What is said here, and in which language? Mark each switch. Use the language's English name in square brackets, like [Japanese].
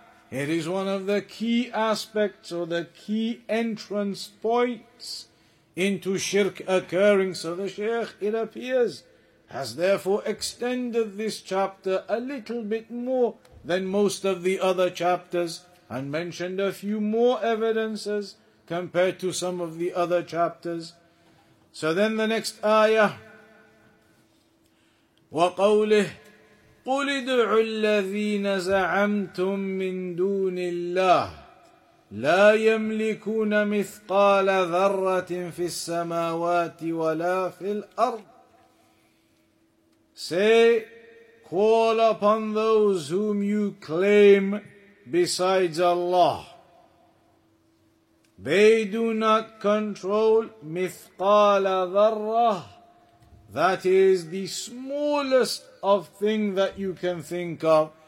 [English] It is one of the key aspects or the key entrance points into shirk occurring. So the Shaykh, it appears, has therefore extended this chapter a little bit more than most of the other chapters and mentioned a few more evidences compared to some of the other chapters. So then the next ayah, [Arabic] وقوله قل ادعوا الذين زعمتم من دون الله لا يملكون مثقال ذرة في السماوات ولا في الأرض. [English] Say, call upon those whom you claim besides Allah. They do not control [Arabic] مثقال ذرة, [English] that is the smallest of thing that you can think of.